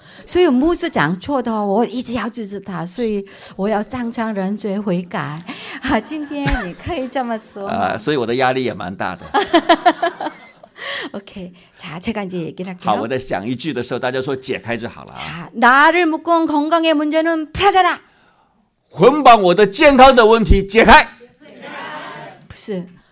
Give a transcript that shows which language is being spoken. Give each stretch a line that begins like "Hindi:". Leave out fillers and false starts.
Chinese: 所以牧师讲错的话，我一直要制止他，所以我要常常认罪悔改。今天你可以这么说。所以我的压力也蛮大的。OK，
Korean: 자 제가 이제 얘기를 할게요.
Chinese: 好，我在讲一句的时候，大家说解开就好了。
Korean: 나를 묶은 건강의 문제는 풀어져라.
Chinese: 捆绑我的健康的问题解开。不是。